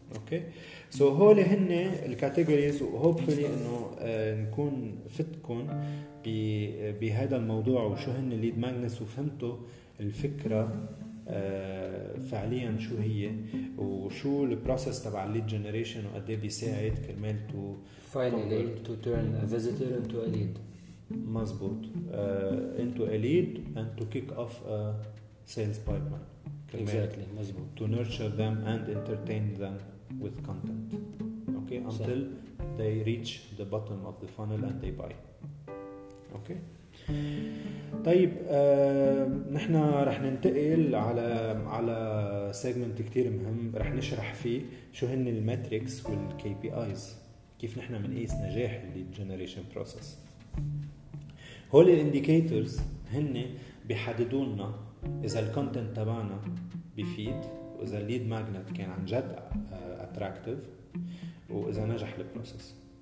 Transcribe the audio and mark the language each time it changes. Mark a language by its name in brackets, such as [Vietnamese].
[Arabic] اوكي سو هول هن الكاتيجوريز وهوبفلي انه نكون فتكم بهذا الموضوع وشو هن الليد ماجنتس وفهمتوا الفكره فعليا شو هي وشو البروسيس تبع الليد جنريشن وقد ايه بيساعد كرمال تو [English] Finally to turn a visitor into a lead. مزبوط into a lead and to kick off a sales pipeline. Exactly. مزبوط. To nurture them and entertain them with content. Okay. Until صح. they reach the bottom of the funnel and they buy. Okay. [Arabic] طيب نحنا رح ننتقل على segment كتير مهم رح نشرح فيه شو هن الماتريكس والKPIs كيف نحنا منقيس نجاح lead generation process. هول الindicators هن بيحددونا إذا الكونتنت تبعنا بيفيد وإذا الليد ماجنت كان عن جد أتراكتيف وإذا نجح البروسيس.